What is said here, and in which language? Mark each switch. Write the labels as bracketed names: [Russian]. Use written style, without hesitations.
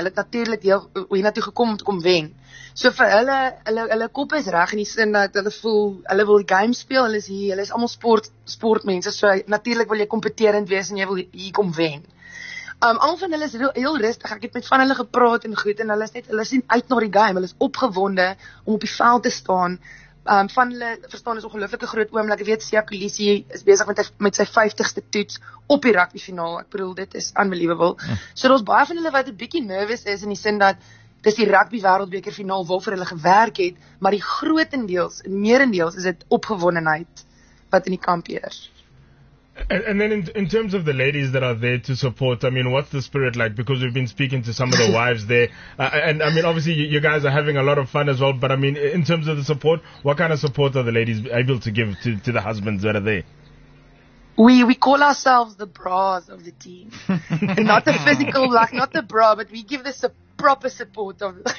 [Afrikaans] Hulle het natuurlik hiernatoe gekom om te kom wen. So vir hulle kop is reg in die sin dat hulle voel hulle wil die game speel. Hulle is hier, hulle is almal sportmense. So natuurlik wil jy kompeterend wees en jy wil hier kom wen. Al van hulle is heel rustig. Ek het met van hulle gepraat en goed en hulle sien uit na die game. Hulle is opgewonde om op die veld te staan. Van hulle verstaan is ongelooflike groot oomblik. Ek weet Siya Kolisi is besig met sy 50ste toets op die rugby finaal. Ek bedoel dit is unbelievable. So daar's baie van hulle wat 'n bietjie nervous is in die sin dat dis die rugby wêreldbeker finaal waarvoor hulle gewerk het, maar die grootendeels, meerendeels is dit opgewondenheid wat in die kamp heers. [English] And then in terms of the ladies that are there to support, I mean, what's the spirit like? Because we've been speaking to some of the wives there. And I mean, obviously, you guys are having a lot of fun as well. But I mean, in terms of the support, what kind of support are the ladies able to give to the husbands that are there? We call ourselves the bras of the team. Not the physical, like, not the bra, but we give the proper support of...